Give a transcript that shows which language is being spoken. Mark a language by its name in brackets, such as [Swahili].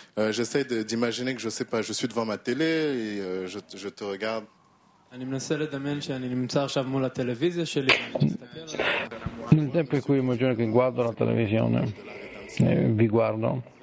[French] J'essaie d'imaginer que je sais pas, je suis devant ma télé et je te regarde. [Hebrew] אני מנסה לדמיין שאני נמצא עכשיו מול הטלוויזיה שלי, ואני מסתכל עליך. [Italian] Nel tempo in cui immagino che guardo la televisione, vi guardo.